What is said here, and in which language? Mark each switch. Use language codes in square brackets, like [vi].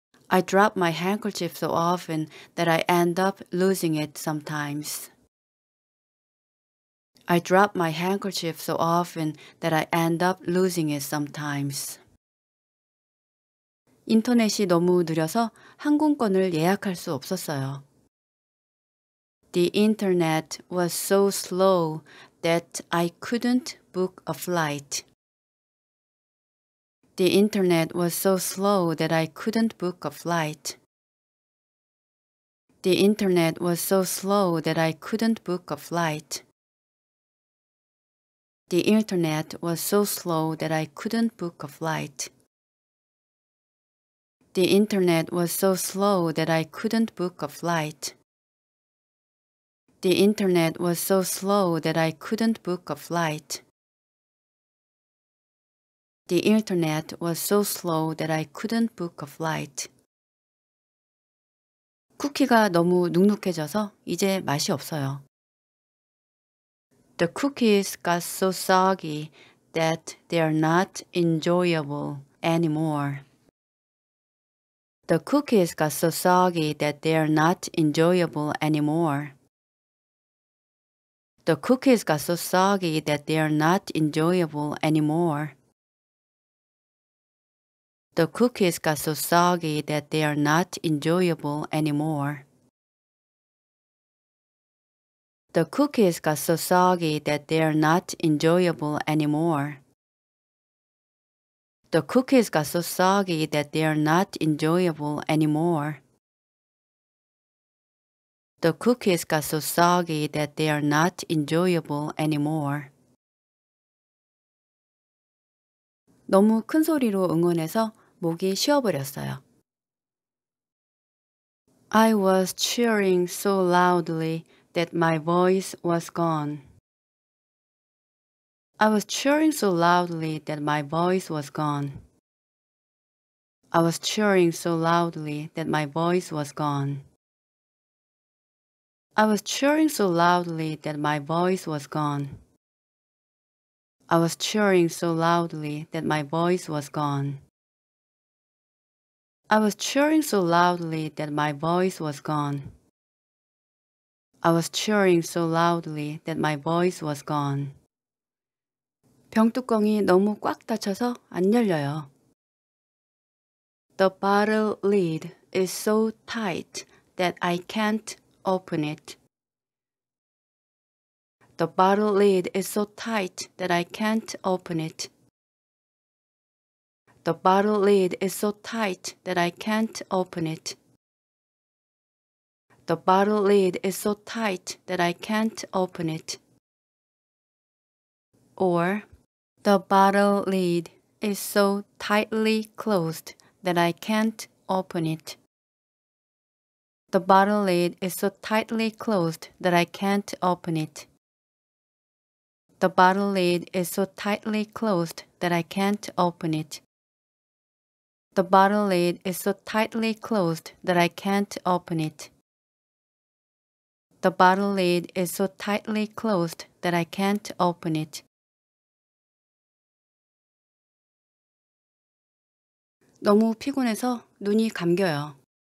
[en] I drop my handkerchief so often that I end up losing it sometimes. I drop my handkerchief so often that I end up losing it sometimes. [ko] 인터넷이 너무 느려서 항공권을 예약할 수 없었어요. [en] The internet was so slow that I couldn't book a flight. The internet was so slow that I couldn't book a flight. The internet was so slow that I couldn't book a flight. The internet was so slow that I couldn't book a flight. The internet was so slow that I couldn't book a flight. The internet was so slow that I couldn't book a flight. The internet was so slow that I couldn't book a flight. [ko] 쿠키가 너무 눅눅해져서 이제 맛이 없어요. [en] The cookies got so soggy that they are not enjoyable anymore. The cookies got so soggy that they are not enjoyable anymore. The cookies got so soggy that they are not enjoyable anymore. The cookies got so soggy that they are not enjoyable anymore. The cookies got so soggy that they are not enjoyable anymore. The cookies got so soggy that they are not enjoyable anymore. The cookies got so soggy that they are not enjoyable anymore. [ko] 너무 큰 소리로 응원해서 목이 쉬어버렸어요. [en] I was cheering so loudly that my voice was gone. I was cheering so loudly that my voice was gone. I was cheering so loudly that my voice was gone. I was cheering so loudly that my voice was gone. I was cheering so loudly that my voice was gone. I was cheering so loudly that my voice was gone. I was cheering so loudly that my voice was gone. [ko] 병뚜껑이 너무 꽉 닫혀서 안 열려요. [en] The bottle lid is so tight that I can't open it. The bottle lid is so tight that I can't open it. The bottle lid is so tight that I can't open it. The bottle lid is so tight that I can't open it. Or The bottle lid is so tightly closed that I can't open it. The bottle lid is so tightly closed that I can't open it. The bottle lid is so tightly closed that I can't open it. The bottle lid is so tightly closed that I can't open it. The bottle lid is so tightly closed that I can't open it. [ko] 너무 피곤해서 눈이 감겨요.